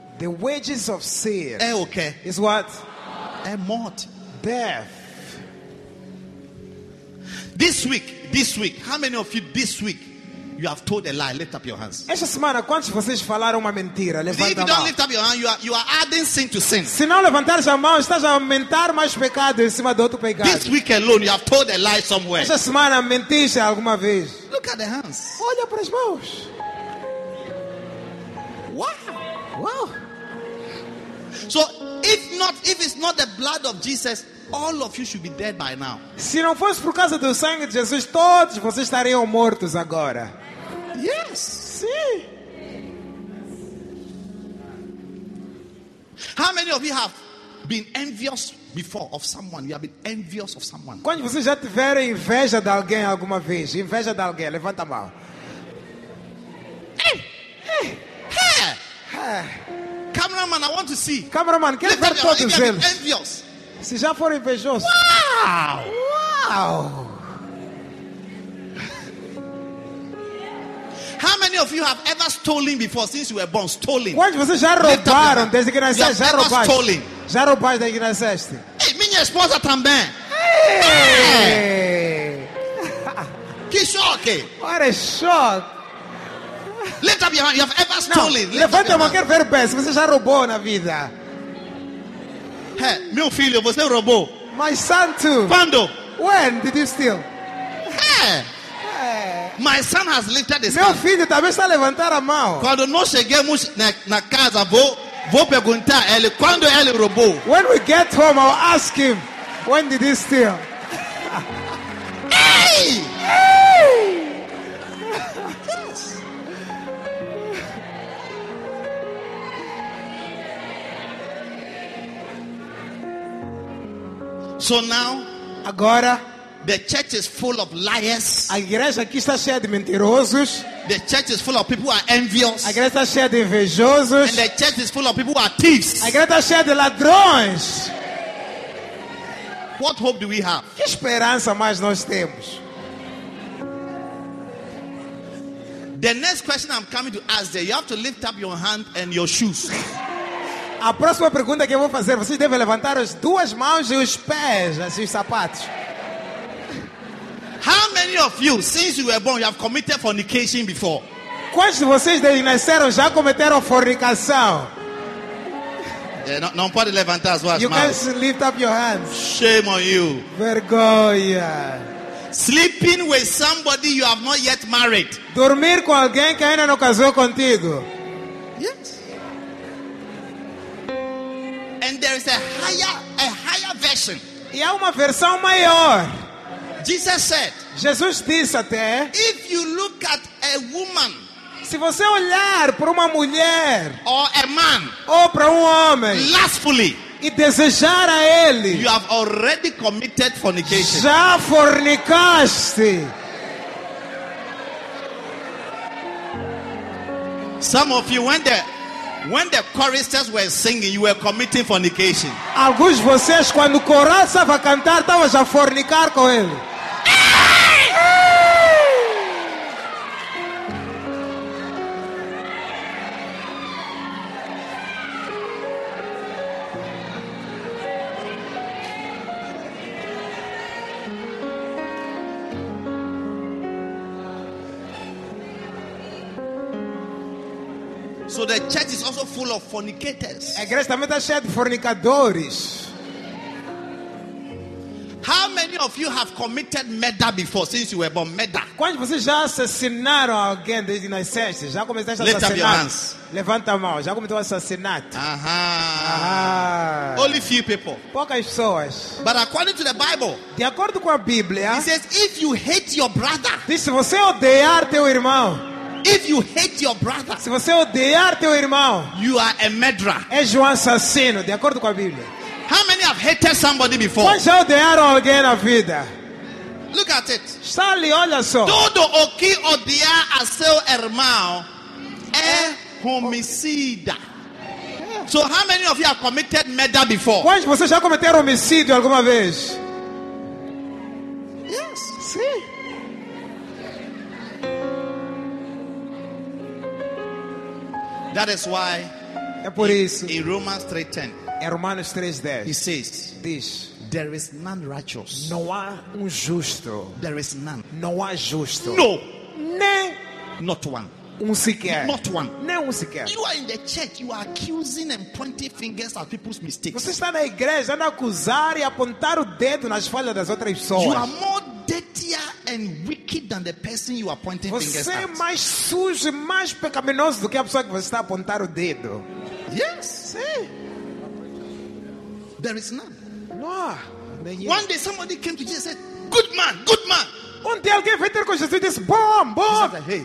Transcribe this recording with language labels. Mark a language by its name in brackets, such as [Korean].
[English] The wages of sin. [Portuguese] É o quê? Okay. [English] Is what? [Portuguese] É morte. [English] Death. This week. How many of you this week? You have told a lie. Lift up your hands. [Portuguese] Esta semana, quantos de vocês falaram uma mentira? Levanta a mão. [English] If you don't lift up your hand, you are adding sin to sin. [Portuguese] Se não levantares a mão, estás a aumentar mais pecado em cima do outro pecado. [English] This week alone, you have told a lie somewhere. [Portuguese] Esta semana, mentiste alguma vez? [English] Look at the hands. [Portuguese] Olha para as mãos. [English] Wow. So, if it's not the blood of Jesus, all of you should be dead by now. [Portuguese] Se não fosse por causa do sangue de Jesus, todos vocês estariam mortos agora. [English] Yes. [Portuguese] Sim. [English] How many of you have been envious before of someone? You have been envious of someone. [Portuguese] Quando vocês já tiveram inveja de alguém alguma vez? Inveja de alguém? Levanta a mão. [English] Cameraman, I want to see. [Portuguese] Cameraman, quero ver todos eles. [English] Envious. [Portuguese] Se já for invejoso. [English] Wow. How many of you have ever stolen before since you were born? Stolen. [Portuguese] Quando vocês já roubaram desde que nasceste? Já roubaste? [English] Stolen. [Portuguese] Já roubaste desde que nasceste? Ei, minha esposa também. [English] Hey. [Portuguese] Que choque. [English] What a shock. Lift up your hand. You have ever stolen. [Portuguese] Não, levanta a mão. Quero ver bem se você já roubou na vida. Hey, meu filho, você roubou. [English] My son too. [Portuguese] Quando? [English] When did you steal? Hey. My son has lifted his [Portuguese] meu [English] hand. [Portuguese] Meu filho também está levantando a mão. Quando nós chegamos na casa, vou perguntar a ele, quando ele roubou? [English] When we get home, I'll ask him, when did he steal? Hey! So now, [Portuguese] agora, [English] the church is full of liars. [Portuguese] A igreja aqui está cheia de mentirosos. [English] The church is full of people who are envious. [Portuguese] A igreja está cheia de invejosos. [English] And the church is full of people who are thieves. [Portuguese] A igreja está cheia de ladrões. [English] What hope do we have? [Portuguese] Que esperança mais nós temos? [English] The next question I'm coming to ask you, you have to lift up your hand and your shoes. [Portuguese] A próxima pergunta que eu vou fazer, vocês devem levantar as duas mãos e os pés, assim, os sapatos. [English] How many of you, since you were born, you have committed fornication before? [Portuguese] Quantos de vocês desde que nasceram já cometeram fornicação? Yeah, não pode levantar as duas [English] you [Portuguese] mãos. [English] You can lift up your hands. Shame on you. [Portuguese] Vergonha. [English] Sleeping with somebody you have not yet married. [Portuguese] Dormir com alguém que ainda não casou contigo. [English] Yes. And there is a higher version. [Portuguese] E há uma versão maior. [English] Jesus said. [Portuguese] Jesus disse até. [English] If you look at a woman. [Portuguese] Se você olhar para uma mulher. [English] Or a man. [Portuguese] Ou para homem. [English] Lustfully. [Portuguese] E desejar a ele. [English] You have already committed fornication. [Portuguese] Já fornicaste. [English] Some of you went there. When the choristers were singing, you were committing fornication. [Portuguese] Alguns de vocês, quando o coro estava a cantar, estava a fornicar com ele. [English] So the church is also full of fornicators. [Portuguese] A igreja também está cheia de fornicadores. [English] How many of you have committed murder before since you were born? Murder. [Portuguese] Quantos vocês já assassinaram alguém desde que nasceste? Já começaste a assassinar? [English] Lift up your hands. [Portuguese] Levanta a mão. Já cometeu assassinato? [English] Aha. Only few people. [Portuguese] Poucas pessoas. [English] But according to the Bible, [Portuguese] de acordo com a Bíblia, [English] it says if you hate your brother, [Portuguese] diz, se você odeiar teu irmão. [English] If you hate your brother, [Portuguese] se você odeiar teu irmão, [English] you are a murderer. [Portuguese] És um assassino, de acordo com a Bíblia. [English] How many have hated somebody before? [Portuguese] Quantos já odeiaram alguém na vida? [English] Look at it. [Portuguese] Está ali, olha só. Todo o que odiar a seu irmão é homicida. [English] So how many of you have committed murder before? [Portuguese] Quantos de vocês já cometeram homicídio alguma vez? [English] Yes. [Portuguese] Sim. [English] That is why [Portuguese] é por isso, [English] in Romans 3:10, [Portuguese] em Romanos 3:10, [English] he says, [Portuguese] diz, [English] there is none righteous. [Portuguese] Não há justo. [English] There is none. [Portuguese] Não há justo. [English] No. [Portuguese] Nem. [English] Not one. [Portuguese] Sequer. [English] Not one. [Portuguese] Nem sequer. [English] You are in the church. You are accusing and pointing fingers at people's mistakes. [Portuguese] Você está na igreja, anda a acusar e apontar o dedo nas falhas das outras pessoas. [English] You are more dirtier and wicked than the person you are pointing [Portuguese] você [English] fingers at. [Portuguese] Você é mais sujo e mais pecaminoso do que a pessoa que você está a apontar o dedo. [English] Yes. [Portuguese] Sim. [English] There is none. No. One day somebody came to Jesus and said, good man, good man. [Portuguese] Um dia alguém veio ter com Jesus e disse, bom, bom. [English] Jesus